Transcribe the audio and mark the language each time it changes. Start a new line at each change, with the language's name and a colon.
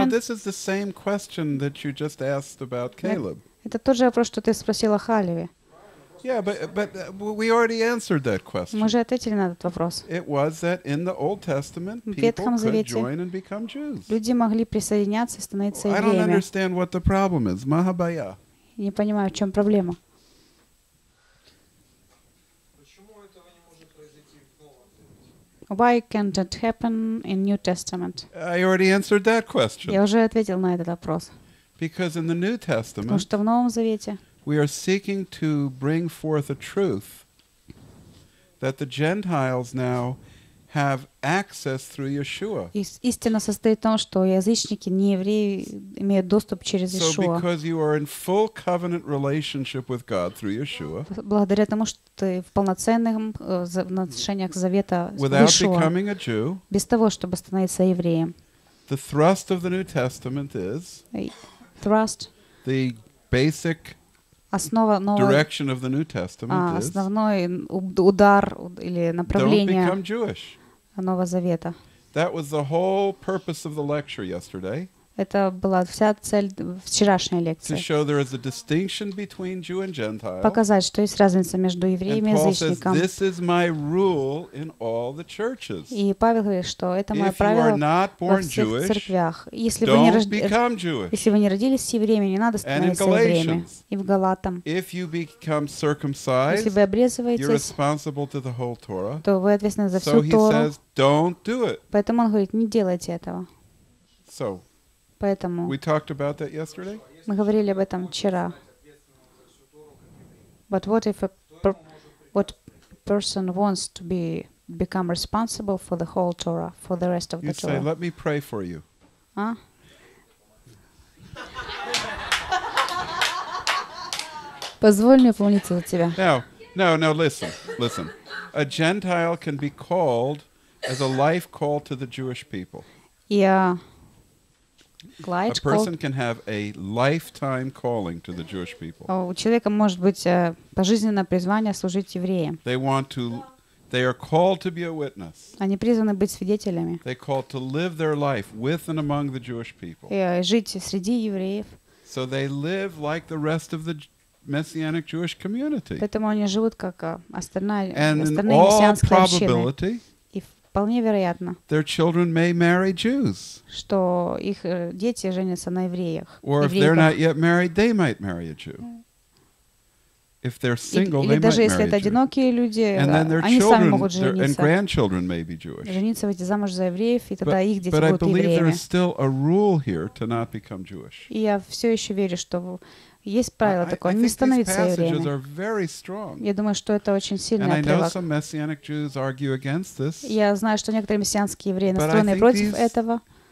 English: You know, this is the same question that you just asked about Caleb.
Russian: Это тот же вопрос, что ты спросила Халеве.
English: Yeah, but we already answered that question.
Russian: Мы же ответили на этот вопрос.
English: It was that in the Old Testament people could join and become Jews.
Russian: Люди могли присоединяться и становиться евреями.
English: I don't understand what the problem is. Mahabaya.
Russian: Не понимаю, в чем проблема. Почему этого не может произойти в Новом Завете?
English: Why can't it happen in New Testament? I already answered that question.
Russian: Я уже ответил на этот вопрос.
English: Because in the New Testament.
Russian: Потому что в Новом Завете.
English: We are seeking to bring forth a truth that the Gentiles now have access through Yeshua.
Russian: Истина состоит в том, что язычники, не евреи, имеют доступ через Yeshua.
English: So because you are in full covenant relationship with God through Yeshua.
Russian: Благодаря тому, что ты в полноценных отношениях завета с Yeshua.
English: Without becoming a Jew.
Russian: Без того, чтобы становиться евреем.
English: The thrust of the New Testament is. Thrust. The basic.
Russian: Основа нового,
English: direction of the New Testament
Russian: основной удар или направление Нового Завета.
English: That was the whole purpose of the lecture yesterday.
Russian: Это была вся цель вчерашней лекции.
English: To show there is a distinction between Jew and Gentile.
Russian: Показать, что есть разница между евреями и язычником.
English: And Paul says, "This is my rule in all the churches."
Russian: И Павел говорит, что это мое правило во всех
English: Jewish,
Russian: церквях. Если вы не родились, если вы не родились евреями, не надо становиться евреями. И в Галатам.
English: If you become circumcised,
Russian: если вы обрезываетесь,
English: you're responsible to the whole Torah.
Russian: То вы ответственны за всю
English: so
Russian: Тору.
English: He says, "Don't do it."
Russian: Поэтому он говорит, не делайте этого.
English: So.
Russian: Поэтому
English: we talked about that yesterday?
Russian: Мы говорили об этом вчера.
English: But what if a what person wants to be become responsible for the whole Torah, for the rest of you the Torah? You say, let me pray for you. Huh?
Russian: Позволь мне помолиться за тебя.
English: No, listen. A Gentile can be called as a life call to the Jewish people. Yeah. A person can have a lifetime calling to the Jewish people.
Russian: У человека может быть пожизненное призвание служить евреям.
English: They want to. They are called to be a witness.
Russian: Они призваны быть свидетелями.
English: They called to live their life with and among the Jewish people.
Russian: И жить среди евреев.
English: So they live like the rest of the Messianic Jewish community.
Russian: Поэтому они живут как остальная мессианская община.
English: And in all probability.
Russian: Вполне вероятно,
English: their children may marry Jews.
Russian: Что их дети женятся на евреях.
English: Or if they're not yet married, they might marry a Jew. If they're single, they might marry a Jew.
Russian: Или даже если это одинокие люди, они сами могут жениться.
English: And grandchildren may be Jewish.
Russian: Жениться, выйти замуж за евреев, и тогда их дети будут евреями.
English: But I believe there is still a rule here to not become Jewish.
Russian: И я все еще верю, что есть правило такое, не становиться евреями. Я думаю, что это очень сильный отрывок. Я знаю, что некоторые мессианские евреи настроены против этого.